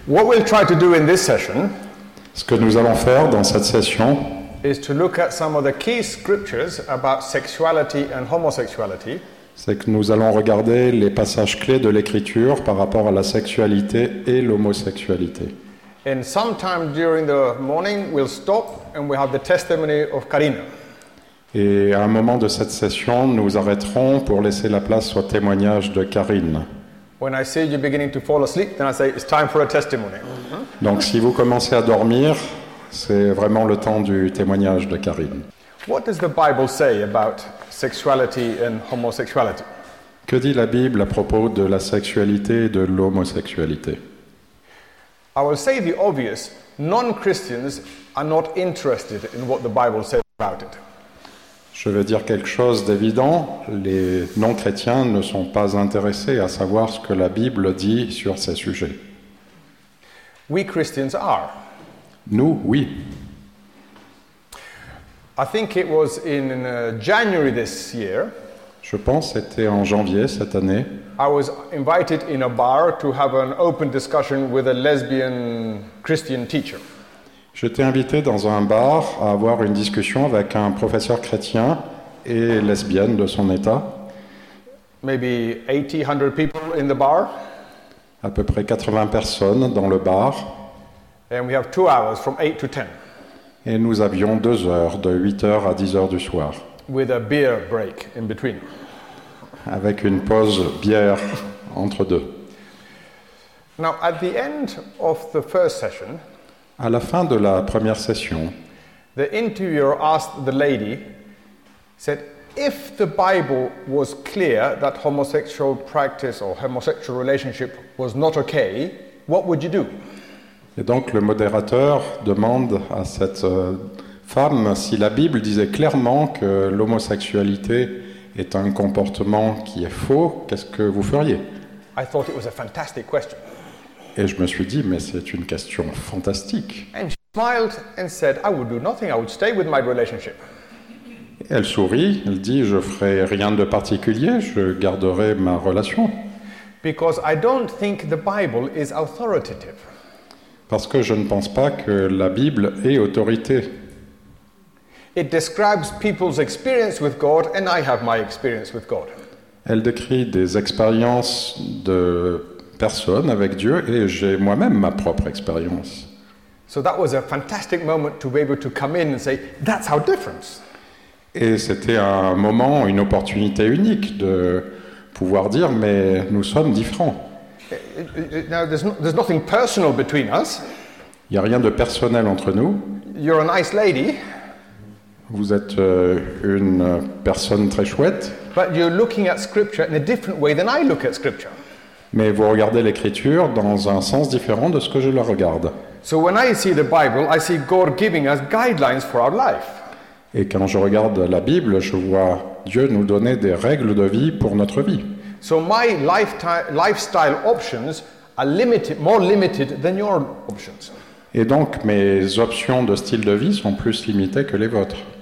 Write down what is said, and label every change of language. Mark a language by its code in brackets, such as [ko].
[en] What we'll try to do in this session, [fr] ce que nous allons faire dans cette session, [en] is to look at some of the key scriptures about sexuality and homosexuality. [fr] C'est que nous allons regarder les passages clés de l'écriture par rapport à la sexualité et l'homosexualité. [en] And sometime during the morning, we'll stop and we'll have the testimony of Karina. [fr] Et à un moment de cette session, nous arrêterons pour laisser la place au témoignage de Karine. [en] When I see you beginning to fall asleep, then I say it's time for a testimony. [fr] Donc si vous commencez à dormir, c'est vraiment le temps du témoignage de Karine. [en] What does the Bible say about sexuality and homosexuality? [fr] Que dit la Bible à propos de la sexualité et de l'homosexualité? [en] I will say the obvious, non-Christians are not interested in what the Bible says about it. [fr] Je vais dire quelque chose d'évident, les non-chrétiens ne sont pas intéressés à savoir ce que la Bible dit sur ces sujets. [en] We Christians are. [fr] Nous, oui. [en] I think it was in January this year. [fr] Je pense que c'était en janvier cette année. [en] I was invited in a bar to have an open discussion with a lesbian Christian teacher. [fr] J'étais invité dans un bar à avoir une discussion avec un professeur chrétien et lesbienne de son état. [en] Maybe 800 people in the bar. [fr] À peu près 80 personnes dans le bar. [en] And we have 2 hours from 8 to 10. [fr] Et nous avions 2 heures, de 8h à 10h du soir. [en] With a beer break in between. [fr] Avec une pause bière entre deux. [en] Now, at the end of the first session, [fr] à la fin de la première session, [en] the interviewer asked the lady, said, if the Bible was clear that homosexual practice or homosexual relationship was not okay, what would you do? [fr] Et donc le modérateur demande à cette femme si la Bible disait clairement que l'homosexualité est un comportement qui est faux, qu'est-ce que vous feriez? [en] I thought it was a fantastic question. [fr] Et je me suis dit, mais c'est une question fantastique. [en] And she smiled and said, I would do nothing, I would stay with my relationship. [fr] Elle sourit, elle dit, je ferai rien de particulier, je garderai ma relation. [en] Because I don't think the Bible is authoritative. [fr] Parce que je ne pense pas que la Bible ait autorité. [en] It describes people's experience with God and I have my experience with God. [fr] Elle décrit des expériences de personne avec Dieu et j'ai moi-même ma propre expérience. [en] So that was a fantastic moment to be able to come in and say that's our difference. [fr] Et c'était un moment, une opportunité unique de pouvoir dire mais nous sommes différents. [en] Now there's nothing personal between us. [fr] Il y a rien de personnel entre nous. [en] You're a nice lady. [fr] Vous êtes une personne très chouette. [en] But you're looking at scripture in a different way than I look at scripture. [fr] Mais vous regardez l'écriture dans un sens différent de ce que je le regarde. [en] So when I see the Bible, I see God giving us guidelines for our life. [fr] Et quand je regarde la Bible, je vois Dieu nous donner des règles de vie pour notre vie. [en] So my lifestyle options are limited, more limited than your options. [fr] Et donc mes options de style de vie sont plus limitées que les vôtres.